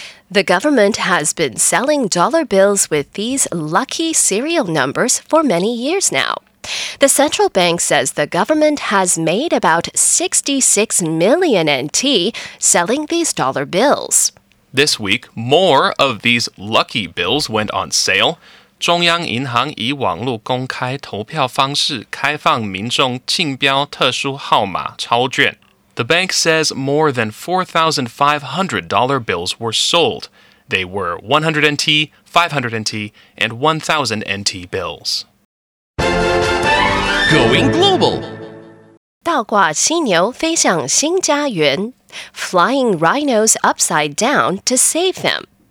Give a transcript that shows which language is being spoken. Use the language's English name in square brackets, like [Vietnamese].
[English] The government has been selling dollar bills with these lucky serial numbers for many years now. The central bank says the government has made about 66 million NT selling these dollar bills. This week, more of these lucky bills went on sale. [Chinese] 中央银行以网络公开投票方式开放民众竞标特殊号码钞券。 [English] The bank says more than 4,500 dollar bills were sold. They were 100 NT, 500 NT, and 1,000 NT bills. Going global! [Chinese] 倒挂犀牛飞向新家园 [English] flying rhinos upside down to save them.